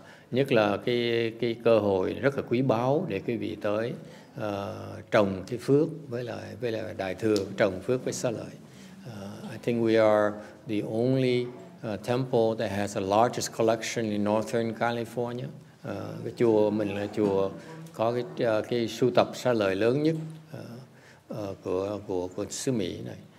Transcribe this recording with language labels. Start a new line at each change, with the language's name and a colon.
Vietnamese: Nhất là cái cơ hội rất là quý báu để quý vị tới trồng cái phước với lại đại thừa, trồng phước với xá lợi.
English: I think we are the only temple that has the largest collection in Northern California.
Vietnamese: Cái chùa mình là chùa có cái sưu tập xá lợi lớn nhất của xứ Mỹ này.